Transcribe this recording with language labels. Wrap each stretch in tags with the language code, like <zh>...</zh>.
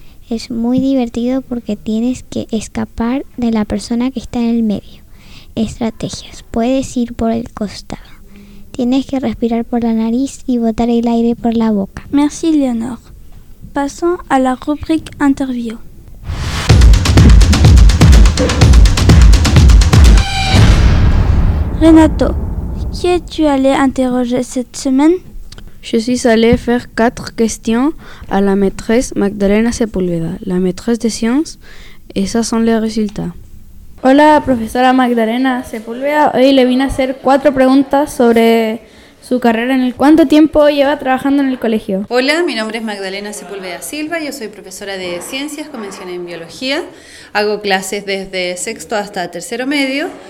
<es>Es muy divertido porque tienes que escapar de la persona que está en el medio. Estrategias. Puedes ir por el costado. Tienes que respirar por la nariz y botar el aire por la boca.</es> <fr>Merci, Leonor. Pasons à la rubrique interview. Renato, qui es-tu allé interroger cette semaine? Je suis allé faire 4 questions à la maîtresse Magdalena Sepúlveda, la maîtresse des sciences, et ça sont les résultats.</fr> <es>Hola, profesora Magdalena Sepúlveda. Hoy le vine a hacer 4 preguntas sobre su carrera en el... ¿Cuánto tiempo lleva trabajando en el colegio? Hola, mi nombre es Magdalena Sepúlveda Silva. Yo soy profesora de ciencias, con mención en biología. Hago clases desde sexto hasta tercero medio.</es>